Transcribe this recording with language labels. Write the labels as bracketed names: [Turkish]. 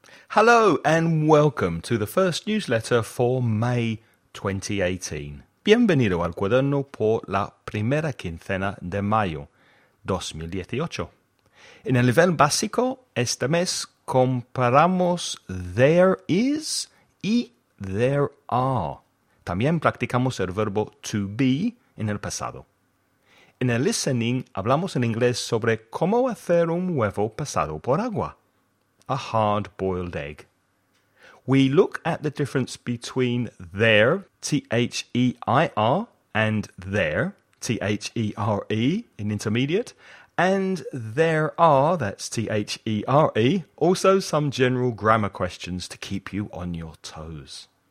[English] Hello and welcome to the first newsletter for May 2018. [Spanish] Bienvenido al cuaderno por la primera quincena de mayo 2018. En el nivel básico, este mes comparamos there is y there are. También practicamos el verbo to be en el pasado. En el listening, hablamos en inglés sobre cómo hacer un huevo pasado por agua. [English] A hard-boiled egg. We look at the difference between there, T-H-E-I-R, and there, T-H-E-R-E, in intermediate, and there are, that's T-H-E-R-E, also some general grammar questions to keep you on your toes.